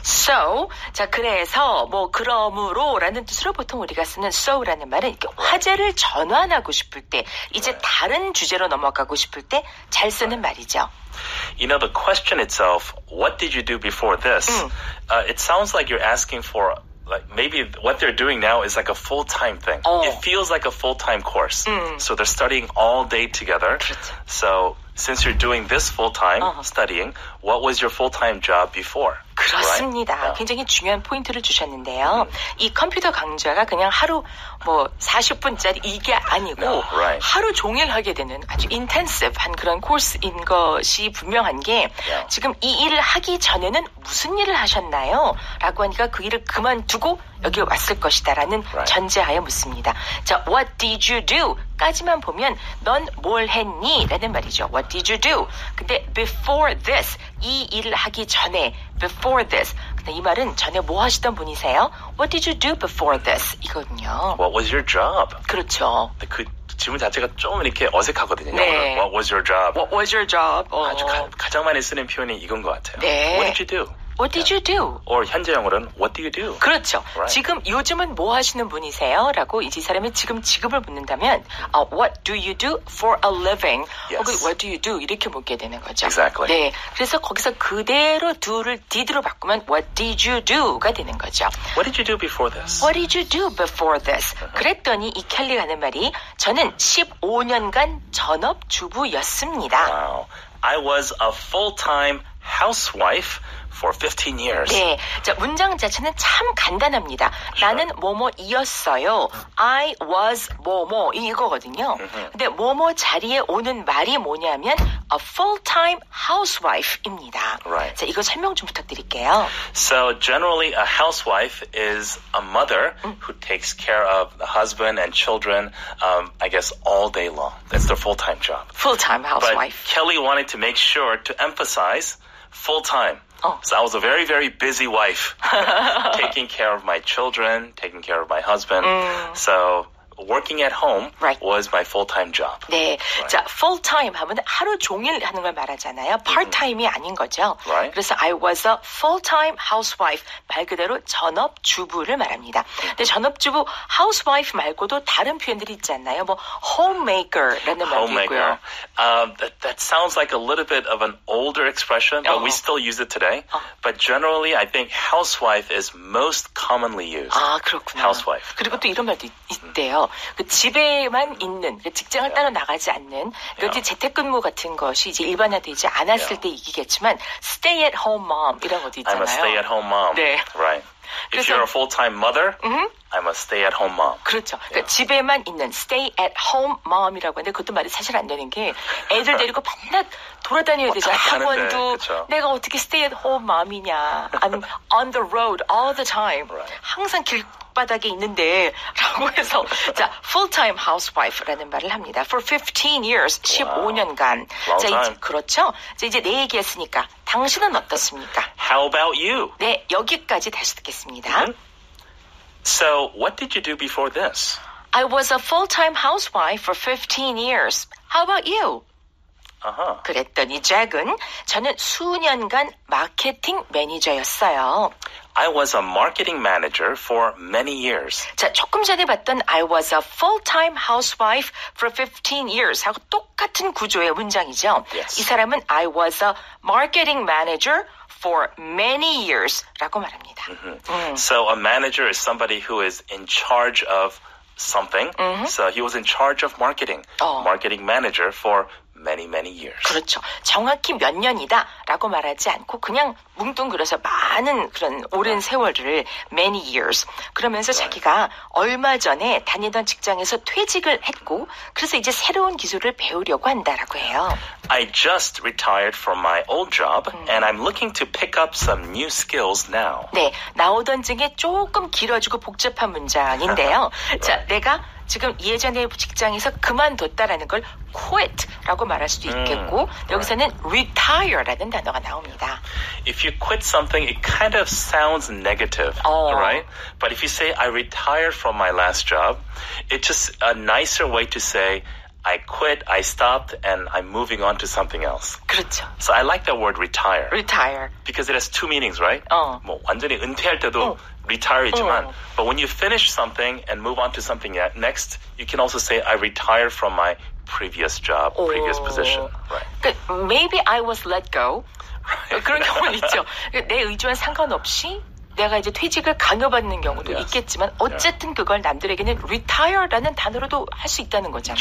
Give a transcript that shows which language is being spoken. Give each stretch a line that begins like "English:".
Korean: So, 자 그래서 뭐 그러므로 라는 뜻으로 보통 우리가 쓰는 so 라는 말은 화제를 전환하고 싶을 때 이제 다른 주제로 넘어가고 싶을 때 잘 쓰는 말이죠.
English: You know, the question itself, what did you do before this? It sounds like you're asking for, like, maybe what they're doing now is like a full-time thing. Oh. It feels like a full-time course. Mm. So they're studying all day together.
Korean: 그렇죠.
English: So since you're doing this full-time studying, what was your full-time job before?
Korean: 그렇습니다.
English: Right?
Korean: 굉장히 중요한 포인트를 주셨는데요. 이 컴퓨터 강좌가 그냥 하루 뭐 40분짜리 이게 아니고
English: no, right.
Korean: 하루 종일 하게 되는 아주 인텐시브한 그런 코스인 것이 분명한 게
English: yeah.
Korean: 지금 이 일을 하기 전에는 무슨 일을 하셨나요? 라고 하니까 그 일을 그만두고 여기 왔을 것이다 라는
English: right.
Korean: 전제하에 묻습니다. 자,
English: What did you do?
Korean: 까지만 보면 넌 뭘 했니? 라는 말이죠. What did you do? 근데
English: before this,
Korean: 이 일을 하기 전에 before this. 근데 이 말은 전에 뭐 하시던 분이세요?
English: What did you do before this?
Korean: 이거든요.
English: What was your job?
Korean: 그렇죠. 그 질문 자체가 좀 이렇게 어색하거든요. 네.
English: What was your job? What was your job?
Korean: 아주 가장 많이 쓰는 표현이 이건 것 같아요. 네.
English: What did you do? What did you do? Or
Korean: 현재형으로는
English: What do you do?
Korean: 그렇죠.
English: Right.
Korean: 지금 요즘은 뭐 하시는 분이세요? 라고 이 사람이 지금 직업을 묻는다면
English: What do you do for a living? Yes.
Korean: 혹은
English: What do you do?
Korean: 이렇게 묻게 되는 거죠.
English: Exactly.
Korean: 네. 그래서 거기서 그대로 do를 did로 바꾸면
English: What did you do?
Korean: 가 되는 거죠.
English: What did you do before this? What did you do before this? Uh-huh.
Korean: 그랬더니 이 켈리가 하는 말이 저는 15년간 전업주부였습니다.
English: Wow. I was a full-time housewife for 15 years.
Korean: 네. 자, 문장 자체는 참 간단합니다.
English: Sure.
Korean: 나는 뭐뭐이었어요.
English: I was
Korean: 뭐뭐 이거거든요. Mm-hmm. 근데 뭐뭐 자리에 오는 말이 뭐냐면
English: a full-time housewife
Korean: 입니다.
English: Right.
Korean: 자, 이거 설명 좀 부탁드릴게요.
English: So generally a housewife is a mother who takes care of the husband and children I guess all day long. That's their full-time job. Full-time housewife. But Kelly wanted to make sure to emphasize full-time. Oh. So I was a very, very busy wife, taking care of my children, taking care of my husband. Mm. So working at home right. was my full-time job.
Korean: 네,
English: right.
Korean: 자, full-time 하면 하루 종일 하는 걸 말하잖아요. Part-time이 아닌 거죠.
English: Right.
Korean: 그래서
English: I was a full-time housewife,
Korean: 말 그대로 전업주부를 말합니다. 근데 전업주부, housewife 말고도 다른 표현들이 있지 않나요? 뭐 homemaker라는 말도
English: homemaker.
Korean: 있고요.
English: That sounds like a little bit of an older expression, but we still use it today. But generally, I think housewife is most commonly used.
Korean: 아, 그렇구나.
English: Housewife.
Korean: 그리고 또 이런 말도 있대요. 그 집에만 있는 그 직장을
English: yeah.
Korean: 따로 나가지 않는
English: 그 yeah.
Korean: 이제 재택근무 같은 것이 이제 일반화되지 않았을
English: yeah.
Korean: 때 이기겠지만
English: stay at home mom
Korean: 이런 것도 있잖아요.
English: I'm a stay at home mom.
Korean: 네.
English: Right. If you're a full-time mother, I'm a stay-at-home mom.
Korean: 그렇죠. 그러니까 집에만 있는
English: stay-at-home mom
Korean: 이라고 하는데 그것도 말이 사실 안 되는 게 애들 데리고 반나 돌아다녀야 되잖아. 학원도 내가 어떻게
English: stay-at-home mom
Korean: 이냐.
English: I'm on the road all the time. Right.
Korean: 항상 길 바닥에 있는데 라고 해서 자
English: full-time housewife
Korean: 라는 말을 합니다.
English: For 15 years,
Korean: 15년간.
English: Wow.
Korean: 자, 이제, 그렇죠? 자, 이제 내 얘기했으니까 당신은 어떻습니까?
English: How about you?
Korean: 네, 여기까지 다시 듣겠습니다.
English: So, what did you do before this? I was a full-time housewife for 15 years. How about you? Uh-huh.
Korean: 그랬더니 잭은 저는 수년간 마케팅 매니저였어요.
English: I was a marketing manager for many years.
Korean: 자, 조금 전에 봤던
English: I was a full-time housewife for 15 years
Korean: 하고 똑같은 구조의 문장이죠.
English: Yes.
Korean: 이 사람은
English: I was a marketing manager for many years
Korean: 라고 말합니다. Mm-hmm.
English: So a manager is somebody who is in charge of something. Mm-hmm. So he was in charge of marketing. Marketing manager for many, many years.
Korean: 그렇죠. 정확히 몇 년이다 라고 말하지 않고 그냥 뭉뚱그려서 많은 그런 오랜 세월을
English: many years
Korean: 그러면서
English: right.
Korean: 자기가 얼마 전에 다니던 직장에서 퇴직을 했고 그래서 이제 새로운 기술을 배우려고 한다라고 해요.
English: I just retired from my old job and I'm looking to pick up some new skills now.
Korean: 네, 나오던 중에 조금 길어지고 복잡한 문장인데요.
English: right.
Korean: 자, 내가 지금 예전에 직장에서 그만뒀다라는 걸 quit라고 말할 수도 있겠고 여기서는 retire라는 단어가 나옵니다.
English: If you quit something, it kind of sounds negative, right? But if you say I retired from my last job, it's just a nicer way to say I quit, I stopped, and I'm moving on to something else. 그렇죠. So I like that word retire. Retire. Because it has two meanings, right? 어.
Korean: 뭐 완전히 은퇴할 때도
English: retire이지만 but when you finish something and move on to something next, you can also say I retire from my previous job, previous position. Right. Maybe I was let go. Right.
Korean: 그런 경우는 있죠. 내 의지와 상관없이 내가 이제 퇴직을 강요받는 경우도
English: yes.
Korean: 있겠지만 어쨌든 그걸 남들에게는 retire라는 단어로도 할 수 있다는 거잖아요.